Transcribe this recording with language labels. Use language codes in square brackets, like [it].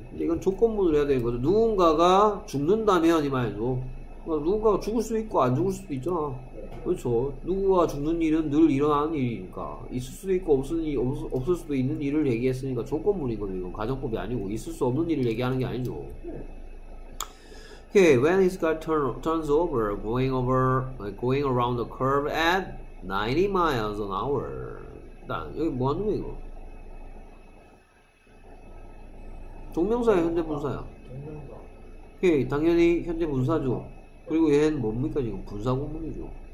[ko] 이건 조건문으로 해야 되는 거죠. 누군가가 죽는다면 이 말이죠. 누군가가 죽을 수 있고 안 죽을 수도 있잖아. 그렇죠. 누군가가 죽는 일은 늘 일어나는 일이니까 있을 수도 있고 없을 수도 있는 일을 얘기했으니까 조건문이거든요. 이건 가정법이 아니고 있을 수 없는 일을 얘기하는 게 아니죠. [en] Okay, when his car turns over, going around the curve at 90 miles an hour. [ko] 일단 여기 뭐 하는 거 이거? 동명사야 현재 분사야. 동명사. 오케이, 당연히 현재 분사죠. 그리고 얘는 뭡니까 지금 분사 구문이죠.